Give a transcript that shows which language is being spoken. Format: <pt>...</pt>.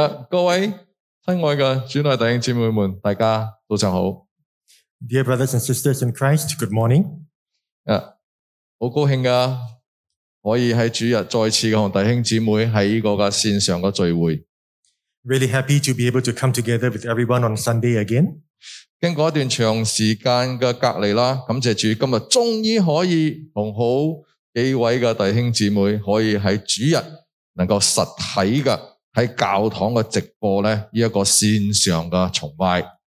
<zh>各位親愛的主內弟兄姊妹們, 大家早上好.</zh> <en>Dear brothers and sisters in Christ, good morning.</en> <zh>很高興的, 可以在主日再次和弟兄姊妹在這個線上的聚會。</zh> <en>Really happy to be able to come together with everyone on Sunday again.</en> <zh>经过一段长时间的隔离啦, 感谢主今天终于可以和好几位的弟兄姊妹可以在主日能够实体的, 在教堂的直播呢, 这个线上的崇拜。</zh>